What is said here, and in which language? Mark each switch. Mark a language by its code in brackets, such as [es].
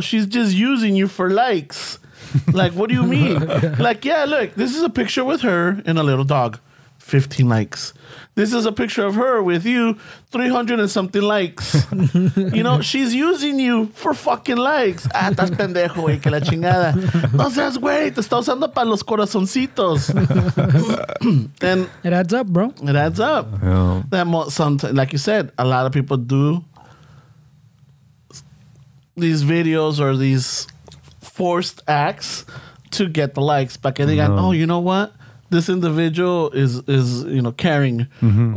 [en] She's just using you for likes. Like, what do you mean? Like, yeah, look, this is a picture with her and a little dog. 15 likes. This is a picture of her with you, 300 and something likes. You know, she's using you for fucking likes. [es] Ah, estás pendejo, güey, que la chingada. No seas güey, te está usando para los corazoncitos. [en] And it adds up, bro. It adds up. Yeah. That sometimes, like you said, a lot of people do these videos or these forced acts to get the likes. [es] Para que digan, [en] oh, you know what? This individual is you know, caring, mm-hmm.